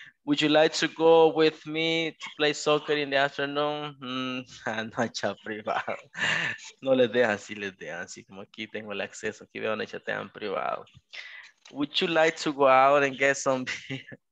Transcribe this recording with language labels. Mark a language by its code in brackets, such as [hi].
[en] Would you like to go with me to play soccer in the afternoon? [es] No, chat privado. No les dejan, sí les dejan. Sí, como aquí tengo el acceso, aquí veo el chat en privado. [en] Would you like to go out and get some beer?